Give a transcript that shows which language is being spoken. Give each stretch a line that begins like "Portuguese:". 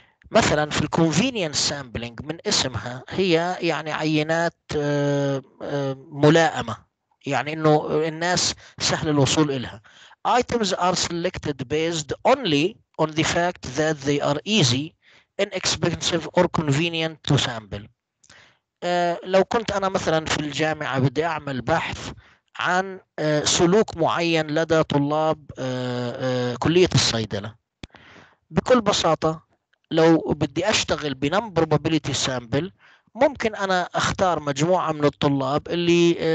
Arabic: مثلا في الـ convenience sampling من اسمها هي يعني عينات ملائمة، يعني إنه الناس سهل الوصول إلها.
English: items are selected based only on the fact that they are easy, inexpensive or convenient to sample.
Arabic: لو كنت أنا مثلا في الجامعة بدي أعمل بحث عن سلوك معين لدى طلاب كلية الصيدلة، بكل بساطة لو بدي اشتغل بنم بروبابيليتي سامبل ممكن انا اختار مجموعه من الطلاب اللي